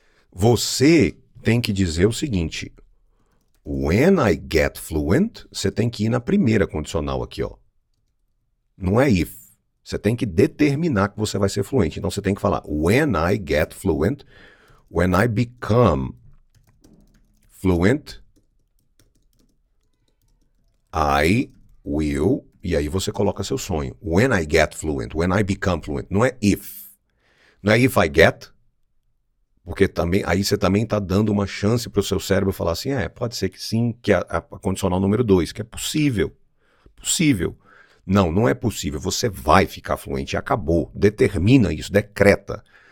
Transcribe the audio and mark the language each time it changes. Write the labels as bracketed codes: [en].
[pt] Você tem que dizer o seguinte: [en] when I get fluent, [pt] você tem que ir na primeira condicional aqui, ó. Não é if. Você tem que determinar que você vai ser fluente. Então você tem que falar: [en] when I get fluent, when I become fluent, I will. [pt] E aí você coloca seu sonho. [en] When I get fluent, when I become fluent. [pt] Não é if. Não é [en] if I get. [pt] Porque também, aí você também está dando uma chance para o seu cérebro falar assim: é, pode ser que sim, que a condicional número 2, que é possível. Possível. Não, não é possível. Você vai ficar fluente. Acabou. Determina isso. Decreta.